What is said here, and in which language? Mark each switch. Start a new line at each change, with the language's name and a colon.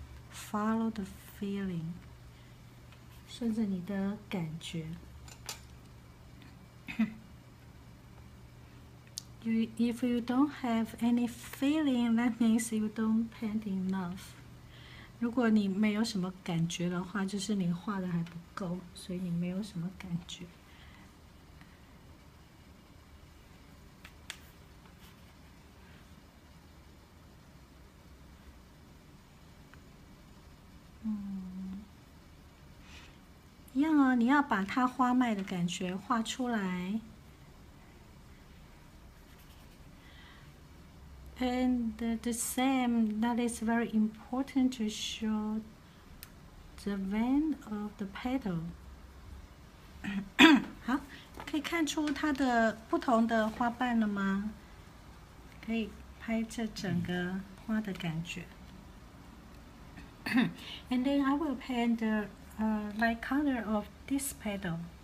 English: Follow the feeling.
Chinese: 顺着你的感觉。
English: If you don't have any feeling, that means you don't paint enough.
Chinese: 如果你没有什么感觉的话，就是你画的还不够，所以你没有什么感觉。一样哦，你要把它花脉的感觉画出来。
English: And the same, that is very important to show the vein of the petal.
Chinese: 好，可以看出它的不同的花瓣了吗？可以拍这整个花的感觉。
English: And then I will paint the light color of this petal.